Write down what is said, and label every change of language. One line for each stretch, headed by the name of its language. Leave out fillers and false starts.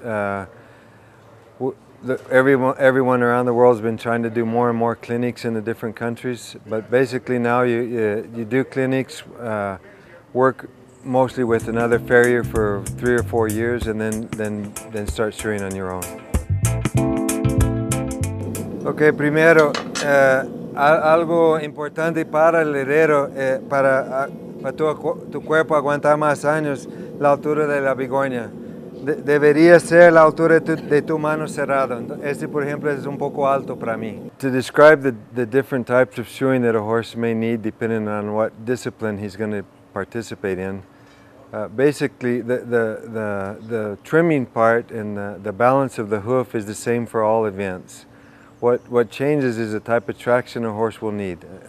English: Everyone around the world has been trying to do more and more clinics in the different countries. But basically now you do clinics, work mostly with another farrier for 3 or 4 years, and then start shoeing on your own.
Spanish: Okay, primero, algo importante para el herrero, para tu cuerpo aguantar más años, la altura de la bigoña. Debería ser la altura de tu mano cerrada. Este, por ejemplo, es un poco alto para mí.
English: To describe the different types of shoeing that a horse may need depending on what discipline he's going to participate in, basically the trimming part and the balance of the hoof is the same for all events. What changes is the type of traction a horse will need.